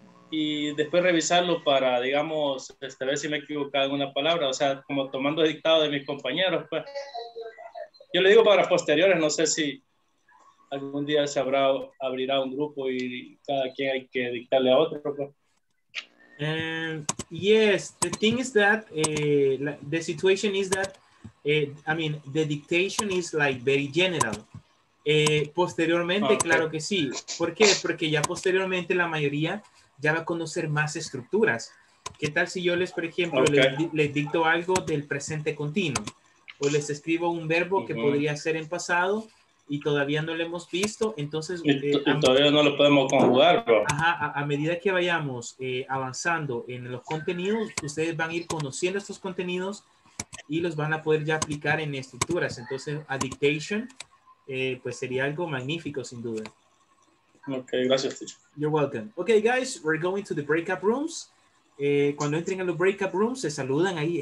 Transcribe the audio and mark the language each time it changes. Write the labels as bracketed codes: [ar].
[es] y después revisarlo para, digamos, este, ver si me he equivocado en una palabra, o sea, como tomando dictado de mis compañeros, pues. Yo le digo para posteriores, no sé si algún día se habrá, abrirá un grupo y cada quien hay que dictarle a otro, pues. [en] Yes, the thing is that, the situation is that, I mean, the dictation is like very general. [es] Posteriormente, okay. Claro que sí. ¿Por qué? Porque ya posteriormente la mayoría ya va a conocer más estructuras. ¿Qué tal si yo les, por ejemplo, okay. les dicto algo del presente continuo? O les escribo un verbo uh-huh. que podría ser en pasado y todavía no lo hemos visto, entonces... Todavía no lo podemos conjugar, bro. Ajá, a medida que vayamos avanzando en los contenidos, ustedes van a ir conociendo estos contenidos y los van a poder ya aplicar en estructuras. Entonces, a dictation, pues sería algo magnífico, sin duda. Ok, gracias, teacher. [en] You're welcome. Okay, guys, we're going to the breakup rooms. [es] Cuando entren a los breakup rooms, se saludan ahí.